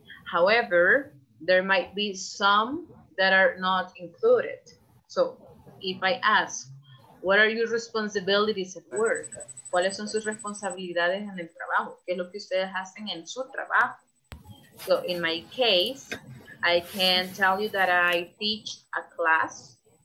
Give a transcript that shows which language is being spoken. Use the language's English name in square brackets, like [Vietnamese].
[English] However, there might be some that are not included. So, if I ask, what are your responsibilities at work? [Spanish] ¿Cuáles son sus responsabilidades en el trabajo? ¿Qué es lo que ustedes hacen en su trabajo? [English] So, in my case, I can tell you that I teach a class.